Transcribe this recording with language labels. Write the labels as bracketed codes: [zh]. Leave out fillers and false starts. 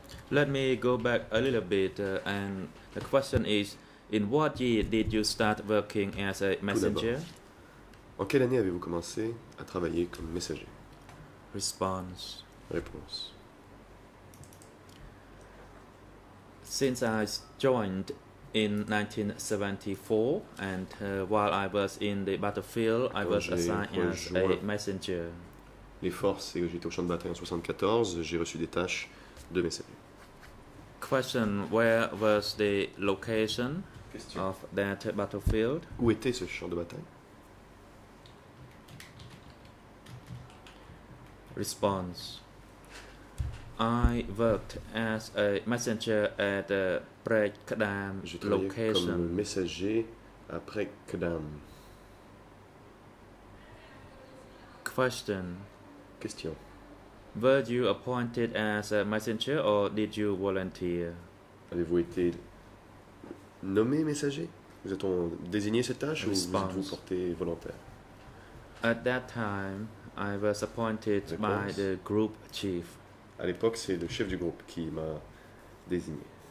[en] Let me go back a little bit, and the question is, in what year did you start working as a messenger? [fr] En quelle année avez-vous commencé à travailler comme messager? Réponse. [en] Since I joined in 1974, and while I was in the battlefield, I was assigned as a messenger. [fr] Les forces, et j'étais au champ de bataille en 1974, j'ai reçu des tâches de messager. [en] Question, where was the location of that battlefield? [fr] Où était ce champ de bataille? [en] Response. I worked as a messenger at a Prek Dam location. [fr] Comme messager à Prek Dam. [en] Question. Were you appointed as a messenger or did you volunteer? [fr] Avez-vous été nommé messager? Vous êtes-on désigné cette tâche [en] Response. [fr] Ou vous êtes-vous porté volontaire? [en] At that time, I was appointed by the group chief. [fr] À l'époque, c'est le chef du groupe qui m'a désigné.